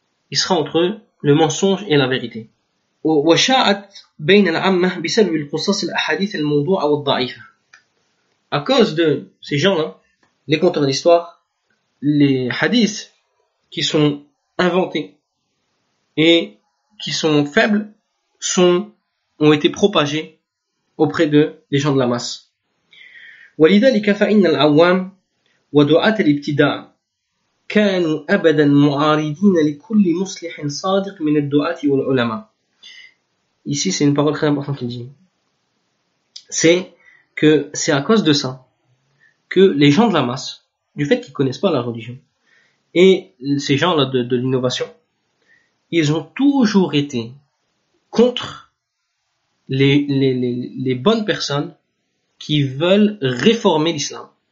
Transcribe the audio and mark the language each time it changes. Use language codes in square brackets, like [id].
[fr] Il sera entre le mensonge et la vérité. [ar] وشاعت بين العامة بسبب القصص الأحاديث الموضوعة والضعيفة. [fr] À cause de ces gens-là, les conteurs d'histoire, les hadiths qui sont inventés et qui sont faibles, ont été propagés auprès de les gens de la masse. [ar] ولذلك فإن العوام ودعاة الابتداع كانوا أبدا معارضين لكل مصلح صادق من الدعاة والعلماء. [fr] Ici, c'est une parole très importante qu'il dit. C'est que c'est à cause de ça que les gens de la masse, du fait qu'ils connaissent pas la religion, Et ces gens-là de l'innovation, ils ont toujours été contre les bonnes personnes qui veulent réformer l'islam.